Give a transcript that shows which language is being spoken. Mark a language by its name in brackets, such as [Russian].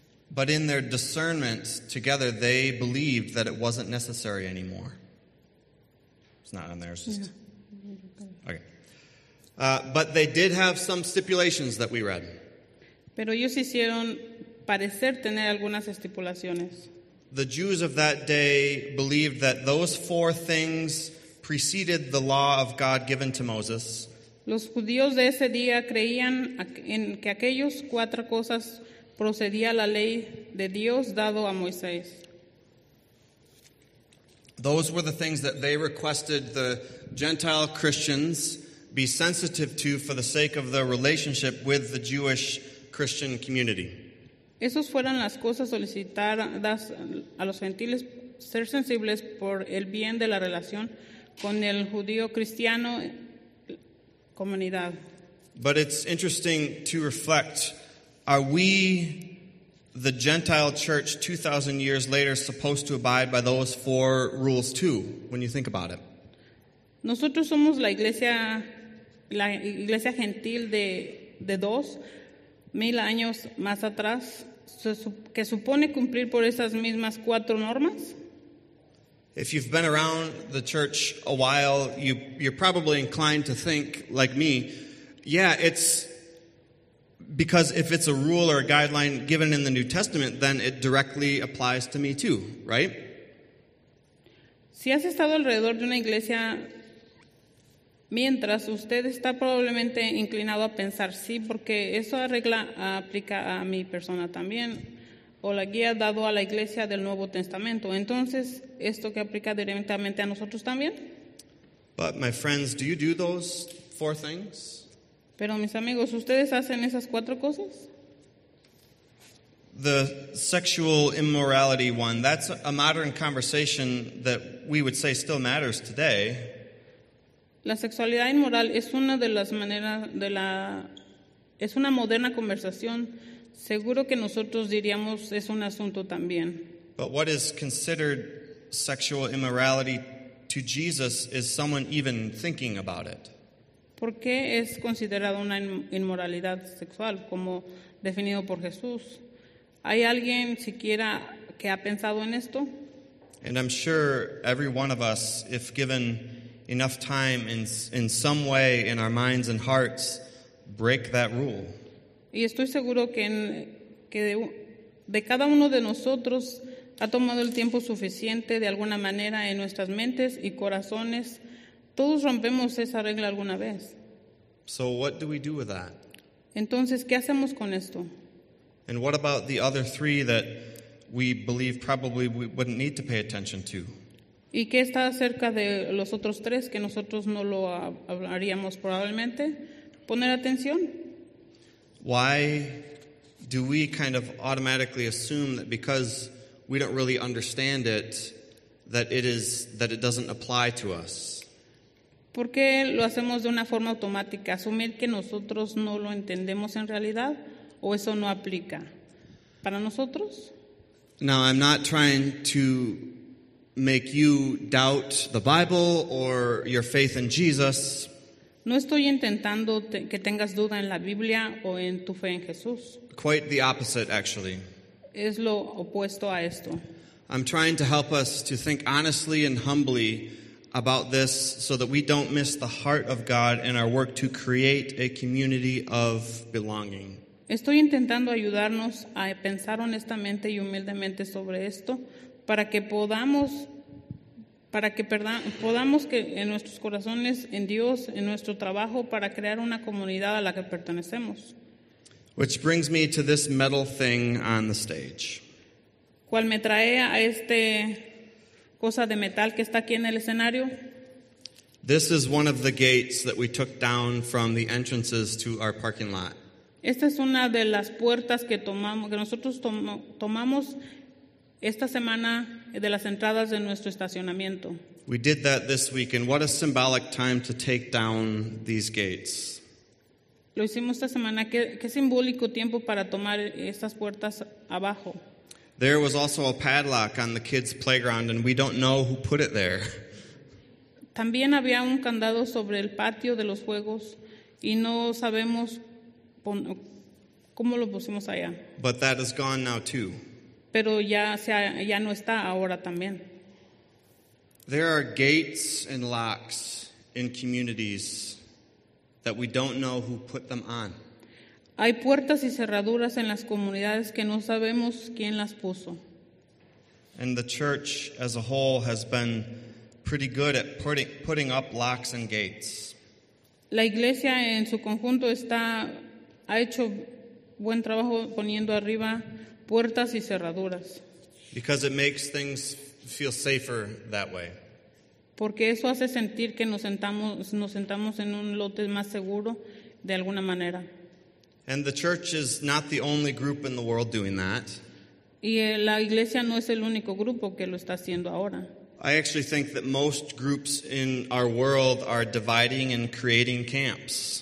[English] But in their discernment together, they believed that it wasn't necessary anymore. It's not on there, it's just... Yeah. Okay. But they did have some stipulations that we read. [Spanish] Pero ellos hicieron parecer tener algunas estipulaciones. [English] The Jews of that day believed that those four things preceded the law of God given to Moses. [Spanish] Los judíos de ese día creían en que aquellos cuatro cosas procedía la ley de Dios dado a Moisés. [English] Those were the things that they requested the Gentile Christians be sensitive to for the sake of their relationship with the Jewish Christian community. [Spanish] Esos fueron las cosas solicitadas a los gentiles ser sensibles por el bien de la relación con el judío cristiano comunidad. [English] But it's interesting to reflect, are we, the Gentile church 2,000 years later, supposed to abide by those four rules too, when you think about it? [Spanish] Nosotros somos la iglesia gentil de 2,000 años más atrás, que supone cumplir por esas mismas cuatro normas. [English] If you've been around the church a while, you're probably inclined to think, like me, yeah, it's because if it's a rule or a guideline given in the New Testament, then it directly applies to me too, right? [Spanish] Si has estado alrededor de una iglesia, mientras usted está probablemente inclinado a pensar sí, porque esa regla aplica a mi persona también, o la guía dado a la iglesia del Nuevo Testamento. Entonces, ¿esto que aplica directamente a nosotros también? [English] But my friends, do you do those four things? [Spanish] Pero mis amigos, ¿ustedes hacen esas cuatro cosas? [English] The sexual immorality one, that's a modern conversation that we would say still matters today. [Spanish] La sexualidad inmoral es una de las maneras de la es una moderna conversación. Seguro que nosotros diríamos es un asunto también. [English] But what is considered sexual immorality to Jesus is someone even thinking about it. [Spanish] ¿Por qué es considerado una inmoralidad sexual como definido por Jesús? ¿Hay alguien siquiera que ha pensado en esto? [English] And I'm sure every one of us, if given enough time in some way in our minds and hearts, break that rule. [Spanish] Y estoy seguro que de cada uno de nosotros ha tomado el tiempo suficiente de alguna manera en nuestras mentes y corazones. Todos rompemos esa regla alguna vez. [English] So what do we do with that? [Spanish] Entonces, ¿qué hacemos con esto? [English] And what about the other three that we believe probably we wouldn't need to pay attention to? [Spanish] ¿Y qué está acerca de los otros tres que nosotros no lo hablaríamos probablemente? ¿Poner atención? [English] Why do we kind of automatically assume that because we don't really understand it, that it doesn't apply to us? [Spanish] ¿Por qué lo hacemos de una forma automática? ¿Asumir que nosotros no lo entendemos en realidad o eso no aplica para nosotros? [English] Now, I'm not trying to make you doubt the Bible or your faith in Jesus. [Spanish] No estoy intentando que tengas duda en la Biblia o en tu fe en Jesús. [English] Quite the opposite, actually. [Spanish] Es lo opuesto a esto. [English] I'm trying to help us to think honestly and humbly about this so that we don't miss the heart of God in our work to create a community of belonging. [Spanish] Estoy intentando ayudarnos a pensar honestamente y humildemente sobre esto para que podamos que en nuestros corazones, en Dios, en nuestro trabajo, para crear una comunidad a la que pertenecemos. [English] Which brings me to this metal thing on the stage. [Spanish] ¿Cuál me trae a este cosa de metal que está aquí en el escenario? [English] This is one of the gates that we took down from the entrances to our parking lot. [Spanish] Esta es una de las puertas que tomamos, que nosotros tomamos esta semana de las entradas de nuestro estacionamiento. [English] We did that this week, and what a symbolic time to take down these gates. [Spanish] Lo hicimos esta semana. Qué simbólico tiempo para tomar estas puertas abajo. [English] There was also a padlock on the kids' playground, and we don't know who put it there. [Spanish] También había un candado sobre el patio de los juegos, y no sabemos cómo lo pusimos allá. [English] But that is gone now too. [Spanish] Pero ya no está ahora también. [English] There are gates and locks in communities that we don't know who put them on. [Spanish] Hay puertas y cerraduras en las comunidades que no sabemos quién las puso. [English] And the church as a whole has been pretty good at putting up locks and gates. [Spanish] La iglesia en su conjunto ha hecho buen trabajo poniendo arriba puertas y cerraduras. [English] Because it makes things feel safer that way. [Spanish] Porque eso hace sentir que nos sentamos en un lote más seguro de alguna manera. [English] And the church is not the only group in the world doing that. [Spanish] Y la iglesia no es el único grupo que lo está haciendo ahora. [English] I actually think that most groups in our world are dividing and creating camps.